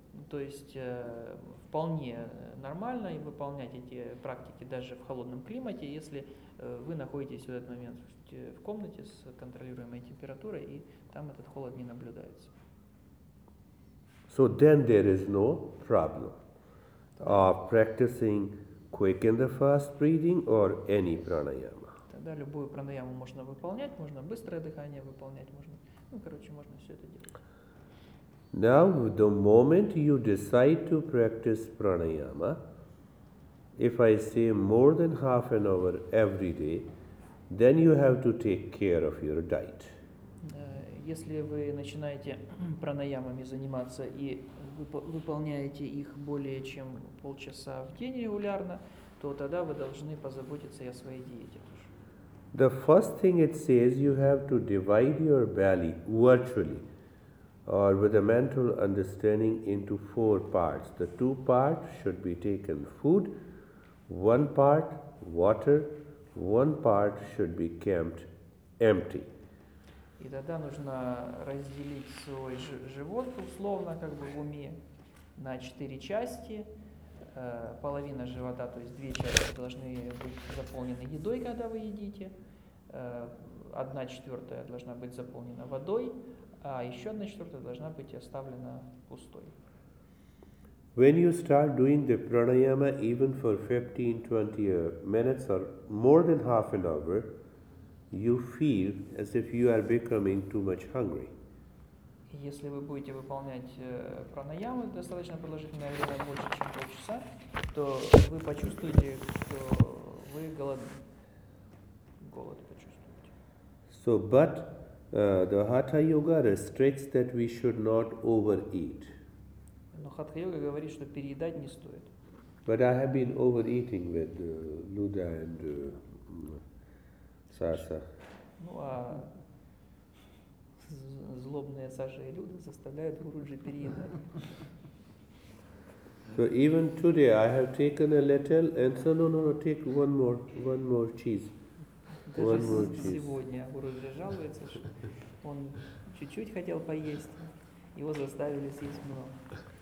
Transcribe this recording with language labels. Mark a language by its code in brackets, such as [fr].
[ru] То есть вполне нормально выполнять эти практики даже в холодном климате, если вы находитесь в этот момент в комнате с контролируемой температурой и там этот холод не наблюдается. [en] So then there is no problem of practicing quick and the fast breathing or any pranayama. [ru] Тогда любую пранаяму можно выполнять, можно быстрое дыхание выполнять, можно, ну короче, можно все это делать. [en] Now, the moment you decide to practice pranayama, if I say more than half an hour every day, then you have to take care of your diet. [ru] Если вы начинаете пранаямами заниматься и выполняете их более чем полчаса в день регулярно, то тогда вы должны позаботиться и о своей диете. [en] The first thing it says, you have to divide your belly virtually or with a mental understanding into four parts. The two parts should be taken food, one part water, one part should be kept empty. [ru] И тогда нужно разделить свой живот условно как бы в уме на четыре части. Половина живота, то есть две части должны быть заполнены едой, когда вы едите. Одна четвертая должна быть заполнена водой. А еще одна четвертая должна быть оставлена пустой. [en] When you start doing the pranayama even for 15-20 minutes or more than half an hour, you feel as if you are becoming too much hungry. [ru] Если вы будете выполнять пранаяму достаточно продолжительное время, больше чем полчаса, то вы почувствуете, что вы голодны. Голод почувствуете. [en] So, but the Hatha Yoga restricts that we should not overeat. [ru] Но Хатха Йога говорит, что переедать не стоит. [en] But I have been overeating with Luda and Sasha. [ru] Ну а злобные Саша и Люда заставляют Гуруджи переедать. [en] So even today I have taken a little and said, no, take one more cheese. [ru] Даже сегодня Гуруджи жалуется, что он чуть-чуть хотел поесть, его заставили съесть много.